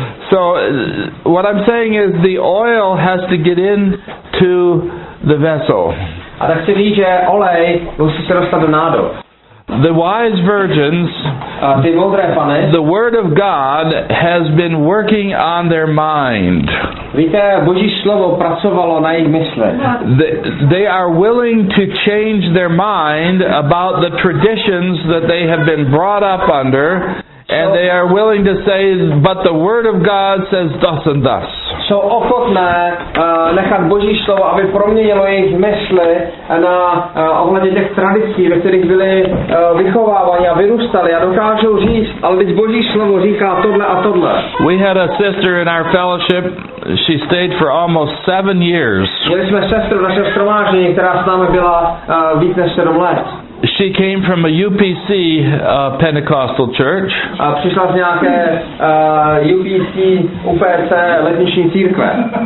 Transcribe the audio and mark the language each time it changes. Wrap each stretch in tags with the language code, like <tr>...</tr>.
<en>So what I'm saying is the oil has to get in to the vessel.</en> <cs>A tak si ví, že olej musí se dostat do nádob.</cs> <en>The wise virgins,</en> <cs>ty moudré pany,</cs> <en>the word of God has been working on their mind.</en> <cs>Víte, Boží slovo pracovalo na jejich mysli.</cs> <en>They are willing to change their mind about the traditions that they have been brought up under. And they are willing to say, but the word of God says thus and thus.</en> <cs>Jsou ochotné nechat Boží slovo, aby proměnilo jejich mysli na ohledně těch tradicí, ve kterých byli vychovávaní a vyrůstali a dokážou říct, ale když Boží slovo říká tohle a tohle.</cs> <en>We had a sister in our fellowship. She stayed for almost 7 years.</en> <cs>Měli jsme sestru v našem shromáždění, která s námi byla víc než 7 let.</cs> <en>She came from a UPC Pentecostal church.</en> <cs>A přišla z nějaké UPC UPC letniční církve.</cs>